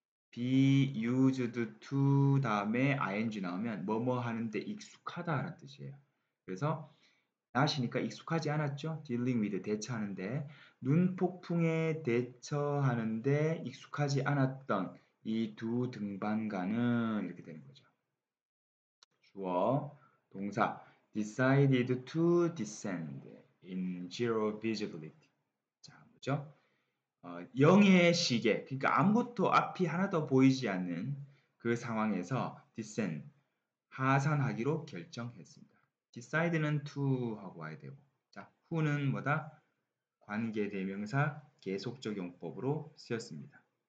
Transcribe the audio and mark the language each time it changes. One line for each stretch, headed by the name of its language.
English: be used to
Korean: 다음에 ing 나오면 뭐뭐 하는데 익숙하다라는 뜻이에요. 그래서 not이니까 익숙하지 않았죠.
English: dealing with
Korean: 대처하는데, 눈폭풍에 대처하는데 익숙하지 않았던 이두 등반가는, 이렇게 되는 거죠. 주어, 동사,
English: decided to descend in zero visibility.
Korean: 자, 뭐죠? 0의 시계, 그러니까 아무것도 앞이 하나도 보이지 않는 그 상황에서 descend, 하산하기로 결정했습니다. decide는 to 하고 와야 되고, 자, who는 뭐다? 관계대명사 계속적 용법으로 쓰였습니다.